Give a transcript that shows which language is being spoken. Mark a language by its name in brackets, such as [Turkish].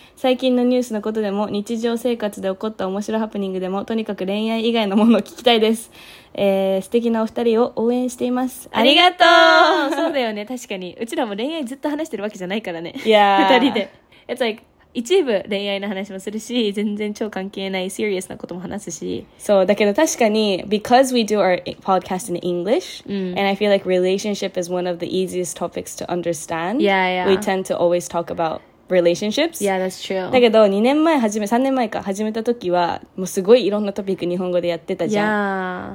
[Japanese] 最近のニュースのことでも、日常生活で起こった面白いハプニングでも、とにかく恋愛以外のものを聞きたいです。素敵なお二人を応援しています。ありがとう。そうだよね、確かにうちらも恋愛ずっと話してるわけじゃないからね。いやー、二人で [English] It's like [Japanese] 一部恋愛の話もするし、全然超関係ないシリアスなことも話すし、そうだけど確かに [English] Because we do our podcast in English、and I feel like relationship is one of the easiest topics to understand. Yeah, yeah. We tend to always talk aboutrelationships. Yeah, that's true. [Japanese] だけど2年前始め3年前か始めた時はもうすごいいろんなトピック日本語でやってたじゃん。